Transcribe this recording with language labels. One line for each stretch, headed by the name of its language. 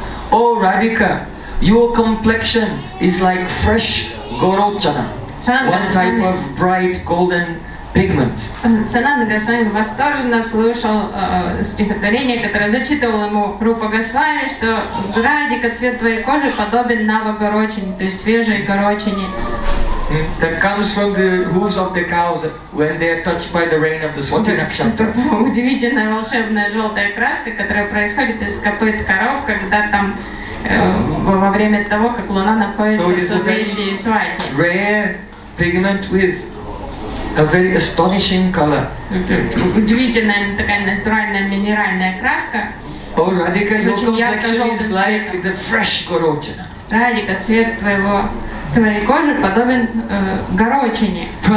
English: Oh Radhika, your complexion is like fresh gorochana, one type of bright golden pigment.
Russian: Sanatana Goswami восторженно слушал стихотворение, которое зачитывал ему Рупа Госвами, что Радика, цвет твоей кожи подобен навагорочине, то есть свежей горочине.
English: That comes from the hooves of the cows when they are touched by the rain of the Swati Nakshatra.
Russian: Удивительная волшебная желтая краска, которая происходит из копыт коров, когда там во время того, как луна находится в созвездии Свати.
English: Rare pigment with a very astonishing color.
Russian: Удивительная такая натуральная минеральная краска.
English: Oh, Radhika, your complexion is like the fresh gorochana.
Russian: Радика, цвет твоего твоей кожи подобен горочине.